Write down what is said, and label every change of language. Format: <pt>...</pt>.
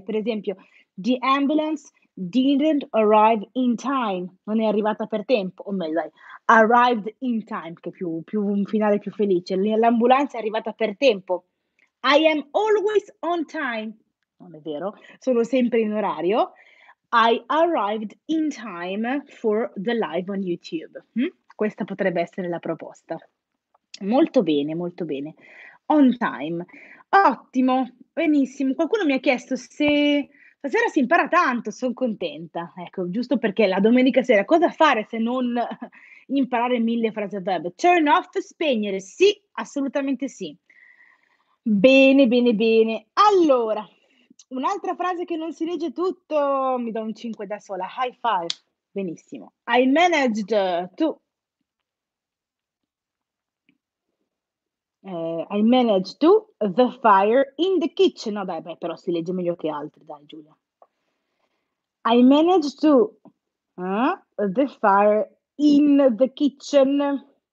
<it>Per esempio,</it> <en>the ambulance didn't arrive in time,</en> <it>non è arrivata per tempo, o meglio,</it> <en>arrived in time,</en> <it>che è più un finale più felice, l'ambulanza è arrivata per tempo.</it> <en>I am always on time,</en> <it>non è vero, sono sempre in orario.</it> <en>I arrived in time for the live on YouTube.</en> <it>Questa potrebbe essere la proposta. Molto bene, molto bene. On time, ottimo, benissimo. Qualcuno mi ha chiesto se stasera si impara tanto, sono contenta. Ecco, giusto perché la domenica sera cosa fare se non imparare mille frasi a verbo? Turn off, spegnere, sì, assolutamente sì. Bene, bene, bene. Allora, un'altra frase che non si legge tutto, mi do un 5 da sola.</it> <en>High five,</en> <it>benissimo.</it> <en>I managed to. I managed to the fire in the kitchen.</en> <it>No, beh, però si legge meglio che altri, dai, Giulia.</it> <en>I managed to the fire in the kitchen.</en>